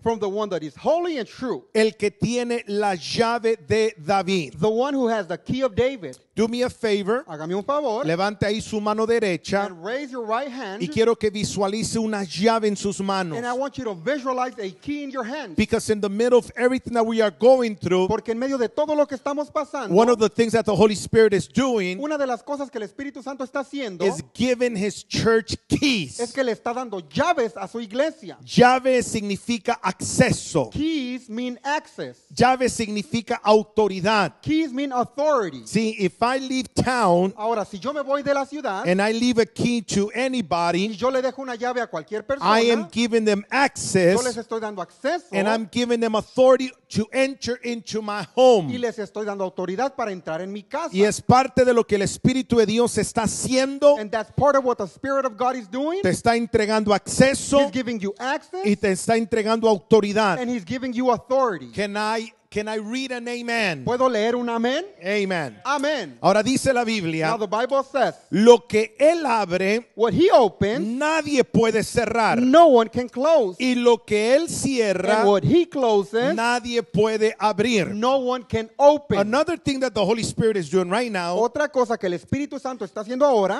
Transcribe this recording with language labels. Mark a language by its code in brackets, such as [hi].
[en] From the one that is holy and true. [es] El que tiene la llave de David. [en] The one who has the key of David. Do me a favor. Hágame un favor. [es] Levante ahí su mano derecha. [en] And raise your right hand. [es] Y quiero que visualice una llave en sus manos. [en] And I want you to visualize a key in your hands. Because in the middle of everything that we are going through, [es] porque en medio de todo lo que estamos pasando, [en] one of the things that the Holy Spirit is doing, [es] una de las cosas que el Espíritu Santo está haciendo, [en] is giving his church keys. [es] Es que le está dando llaves a su iglesia. Llave significa acceso. [en] Keys mean access. [es] Llave significa autoridad. [en] Keys mean authority. See, if I leave town, [es] ahora, si yo me voy de la ciudad, [en] and I leave a key to anybody, [es] y yo le dejo una llave a cualquier persona, [en] I am giving them access, [es] yo les estoy dando acceso, [en] and I'm giving them authority to enter into my home. [es] Y les estoy dando autoridad para entrar en mi casa. Y es parte de lo que el Espíritu de Dios está haciendo. [en] And that's part of what the Spirit of God is doing. [es] Te está entregando acceso. [en] He's giving you access. [es] Y te está entregando autoridad. [en] And he's giving you authority. Can I read an amen? [es] ¿Puedo leer un amén? [en] Amen. Amen. [es] Ahora dice la Biblia. [en] Now the Bible says. [es] Lo que él abre. [en] What he opens. [es] Nadie puede cerrar. [en] No one can close. [es] Y lo que él cierra. [en] And what he closes. [es] Nadie puede abrir. [en] No one can open. Another thing that the Holy Spirit is doing right now. [es] Otra cosa que el Espíritu Santo está haciendo ahora.